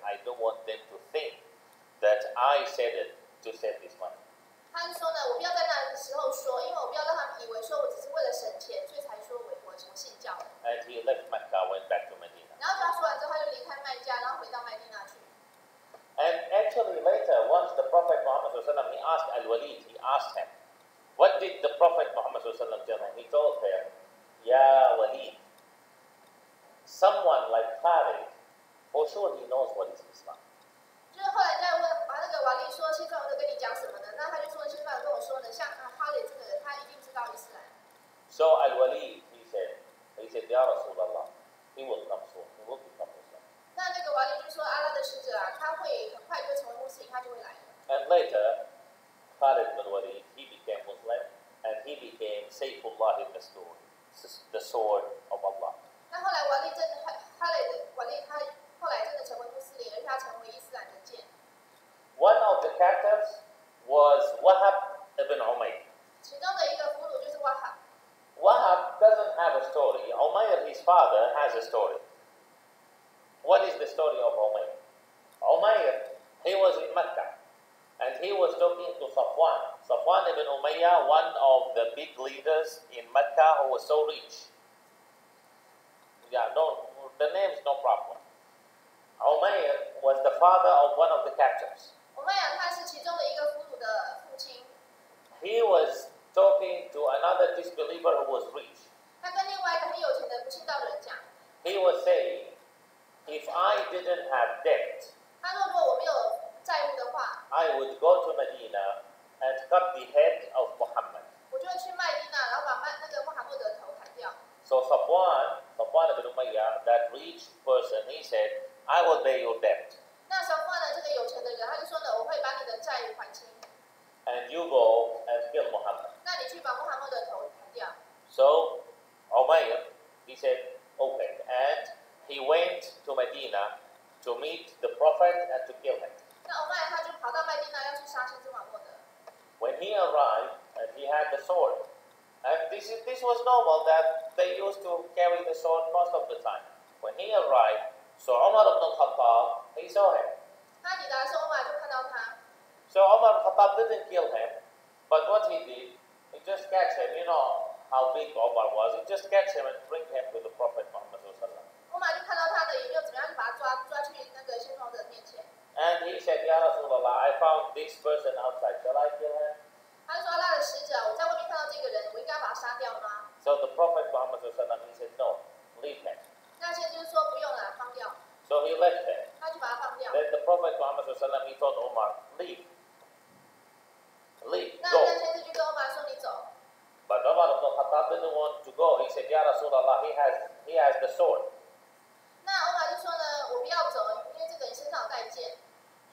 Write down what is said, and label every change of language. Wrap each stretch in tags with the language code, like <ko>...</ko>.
<en>I don't want them to think that I said it to save this money.</en> <zh>他就说呢，我不要在那时候说，因为我不要让他们以为说我只是为了省钱，所以才说我从信教。</zh> <en>And he left Mecca, went back to Medina.</en> <zh>然后他说完之后，他就离开麦加，然后回到麦地那去。</zh> <en>And actually later, once the Prophet Muhammad sallallahu alaihi wasallam, he asked Al-Walid, he asked him, what did the Prophet Muhammad sallallahu alaihi wasallam tell him? He told him,Ya Walid, someone like Khalid, for sure he knows what is Islam.</en> <zh>就是后来再问，把那个瓦利说，先生，我在跟你讲什么呢？那他就说，先生跟我说呢，像Khalid这个人，他一定知道伊斯兰。</zh> <en>So Al-Walid, he said, Ya Rasulallah, he will come soon, he will become Muslim.</en> <zh>那那个瓦利就说，阿拉的使者啊，他会很快就成为穆斯林，他就会来。</zh> <en>And later, Khalid ibn Walid, he became Muslim, and he became Saifullah ibn Mas'ud. The sword of Allah.</en> <zh>那后来瓦利真的，哈雷的瓦利，他后来真的成为穆斯林，而且他成为伊斯兰的剑。</zh> <en>One of the captives was Wahab ibn Umayr.</en> <zh>其中的一个俘虏就是 Wahab.</zh> <en>Wahab doesn't have a story. Umayr, his father, has a story. What is the story of Umayr? Umayr, he was in Mecca, and he was talking to Safwan. Safwan ibn Umayyah, one of the big leaders in Mecca who was so rich. Yeah, no, the name's no problem. Umayyah was the father of one of the captives.</en> <zh>Umayyah, 他是其中的一个俘虏的父亲。</zh> <en>He was talking to another disbeliever who was rich.</en> <zh>他跟另外一个很有钱的不信道人讲。</zh> <en>He was saying, if I didn't have debt,</en> <zh>他说如果我没有债务的话</zh> <en>I would go to Medina and cut the head of Muhammad.</en> <zh>我就去麦地那，然后把那个穆罕默德的头砍掉。</zh> <en>So Safwan ibn Umayyah, that rich person, he said, I will pay your debt.</en> <zh>那 Safwan 呢，这个有钱的人，他就说呢，我会把你的债务还清。</zh> <en>And you go and kill Muhammad.</en> <zh>那你去把穆罕默德的头砍掉。</zh> <en>So Umayyah, he said, okay, and he went to Medina to meet the Prophet and to kill him.</en> <zh>那 Umayyah 他就跑到麦地那要去杀先知穆罕默德。</zh> <en>When he arrived, and he had the sword. And this was normal that they used to carry the sword most of the time. When he arrived, so Umar ibn Khattab, he saw him. So Umar ibn Khattab didn't kill him, but what he did, he just catch him. You know how big Umar was. He just catch him and bring him to the Prophet Muhammad. And he said, Ya Rasulullah, I found this person outside. Shall I kill him?</en> <zh>他说：“阿拉的使者，我在外面看到这个人，我应该把他杀掉吗？”</zh> <en>So the Prophet Muhammad said, "No, leave him."</en> <zh>那先知说：“不用了，放掉。”</zh> <en>So he left him.</en> <zh>他就把他放掉。</zh> <en>Then the Prophet Muhammad said, "He told Umar, leave, leave, go."</en> <zh>那先知就跟 Umar 说：“你走。”</zh> <en>But Umar ibn Khattab didn't want to go. He said, "Ya Rasulullah, he has the sword."</en> <zh>那 Umar 就说呢：“我不要走，因为这个人身上有带剑。”</zh>